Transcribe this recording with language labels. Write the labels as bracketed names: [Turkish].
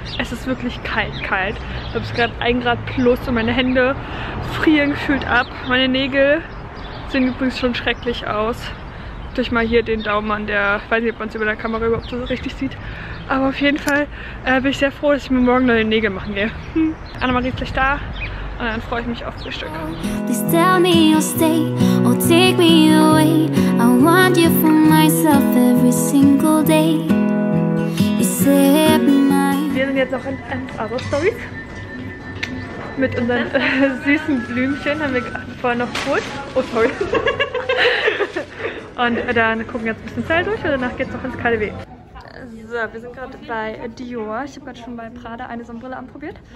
[German] Es ist wirklich kalt, kalt. Ich habe es gerade 1 Grad plus und meine Hände frieren gefühlt ab. Meine Nägel sehen übrigens schon schrecklich aus. Durch mal hier den Daumen an der, ich weiß nicht, ob man es über der Kamera überhaupt so richtig sieht. Aber auf jeden Fall bin ich sehr froh, dass ich mir morgen neue Nägel machen gehe. Annemarie ist gleich da. Und dann freue ich mich auf das Stück. [English] Please tell me you'll stay or take me away. I want you for myself every single day. [German] Wir sind jetzt noch in Other Stories. Mit unseren süßen Blümchen haben wir vorher noch geholt. [English] Oh, sorry. [German] Und dann gucken wir jetzt ein bisschen Zeit durch und danach geht's noch ins KDW. So, wir sind gerade bei Dior. Ich habe gerade schon bei Prada eine Sonnenbrille anprobiert.